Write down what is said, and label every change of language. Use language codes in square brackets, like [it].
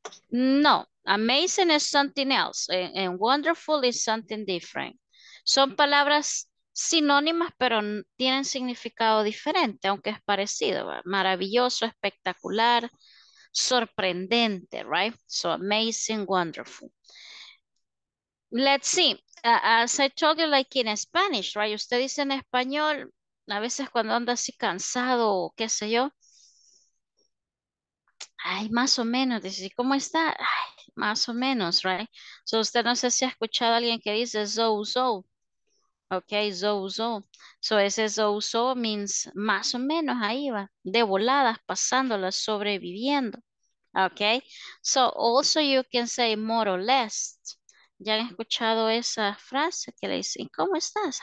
[en] No, amazing is something else, and wonderful is something different. [es] Son palabras sinónimas, pero tienen significado diferente, aunque es parecido, ¿verdad? Maravilloso, espectacular, sorprendente, right? [en] So amazing, wonderful. Let's see. As I told you, like in Spanish, right? [es] Usted dice en español, a veces cuando anda así cansado o qué sé yo. Ay, más o menos, dice, ¿cómo está? Ay, más o menos, right? So usted no sé si ha escuchado a alguien que dice zo-zo. Ok, zo-zo. So ese zo-zo means más o menos, ahí va, de voladas, pasándolas, sobreviviendo. [en] Ok, so also you can say more or less. [es] ¿Ya han escuchado esa frase que le dicen, ¿cómo estás?